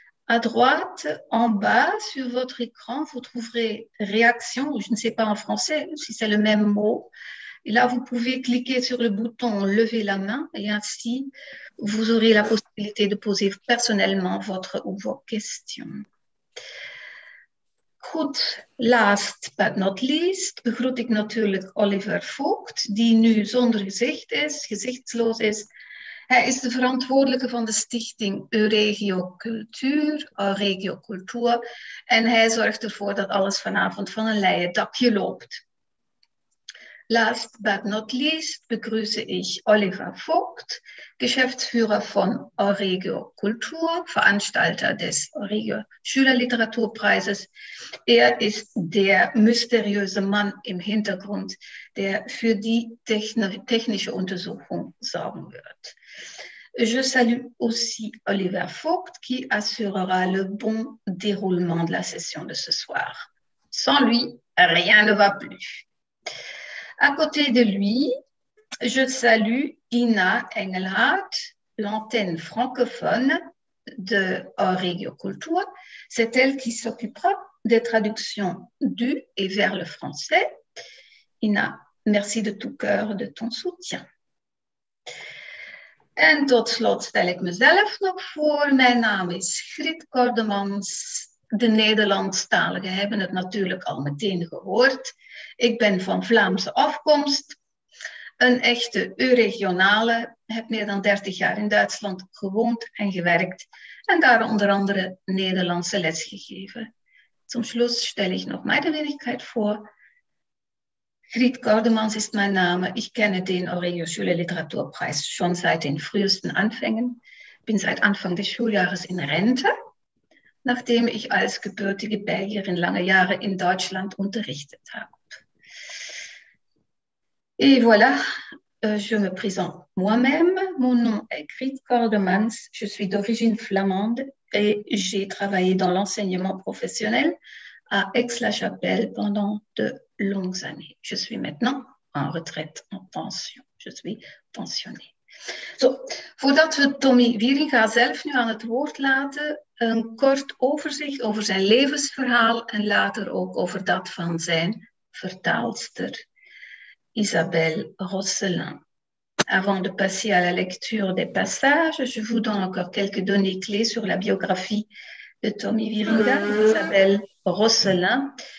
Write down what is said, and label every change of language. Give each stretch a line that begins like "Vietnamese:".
French: À droite, en bas, sur votre écran, vous trouverez réaction, ou je ne sais pas en français si c'est le même mot. Et là, vous pouvez cliquer sur le bouton lever la main et ainsi, vous aurez la possibilité de poser personnellement votre ou vos questions.
Dutch: Goed,
English: last but not least
Dutch: begroet ik natuurlijk Oliver Voogd, die nu zonder gezicht is, gezichtsloos is. Hij is de verantwoordelijke van de stichting Euregio Cultuur en hij zorgt ervoor dat alles vanavond van een leien dakje loopt.
English: Last but not least
German: begrüße ich Oliver Voogd, Geschäftsführer von Euregio Kultur, Veranstalter des Euregio Schülerliteraturpreises. Er ist der mysteriöse Mann im Hintergrund, der für die technische Untersuchung sorgen wird.
French: Je salue aussi Oliver Voogd, qui assurera le bon déroulement de la session de ce soir. Sans lui, rien ne va plus. À côté de lui, je salue Ina Engelhardt, l'antenne francophone de Euregio Kultur. C'est elle qui s'occupera des traductions du et vers le français. Ina, merci de tout cœur de ton soutien.
Dutch: En tot slot stel ik mezelf nog voor. Mijn naam is Griet Kordemans. De Nederlandstaligen hebben het natuurlijk al meteen gehoord. Ik ben van Vlaamse afkomst, een echte Euregionale, heb meer dan 30 jaar in Duitsland gewoond en gewerkt en daar onder andere Nederlandse les gegeven.
German: Zum Schluss stelle ich noch meine Wenigkeit vor. Griet Kordemans ist mein Name. Ich kenne den Euregio Schülerliteraturpreis schon seit den frühesten Anfängen. Bin seit Anfang des Schuljahres in Rente, nachdem ich als gebürtige Belgierin lange Jahre in Deutschland unterrichtet habe.
French: Et voilà, je me présente moi-même. Mon nom est Griet Kordemans, je suis d'origine flamande et j'ai travaillé dans l'enseignement professionnel à Aix-la-Chapelle pendant de longues années. Je suis maintenant en retraite, en pension. Je suis pensionnée.
Dutch: So, voordat we Tommy Wieringa zelf nu aan het woord laten, een kort overzicht over zijn levensverhaal en later ook over dat van zijn vertaalster. Isabelle Rosselin.
French: Avant de passer à la lecture des passages, je vous donne encore quelques données clés sur la biographie de Tommy Wieringa, Isabelle Rosselin.